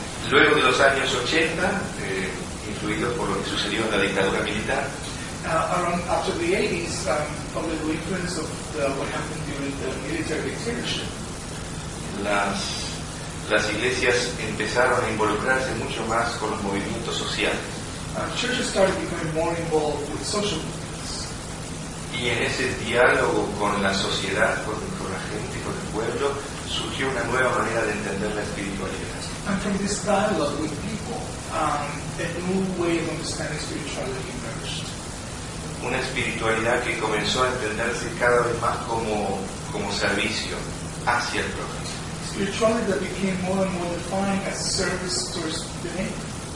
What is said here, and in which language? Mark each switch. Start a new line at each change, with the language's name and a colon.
Spanish: Luego de los años 80, influidos por lo que sucedió en la dictadura militar,
English: after the 80s, under the influence of what happened during the military dictatorship,
Spanish: las iglesias empezaron a involucrarse mucho más con los movimientos sociales.
English: Churches started becoming more involved with social movements.
Spanish: Y en ese diálogo con la sociedad, con la gente, con el pueblo, surgió una nueva manera de entender la espiritualidad.
English: And from this dialogue with people, a new way of understanding spirituality emerged.
Spanish: Una espiritualidad que comenzó a entenderse cada vez más como servicio hacia el prójimo.
English: Spirituality that became more and more defined as service towards the neighbor.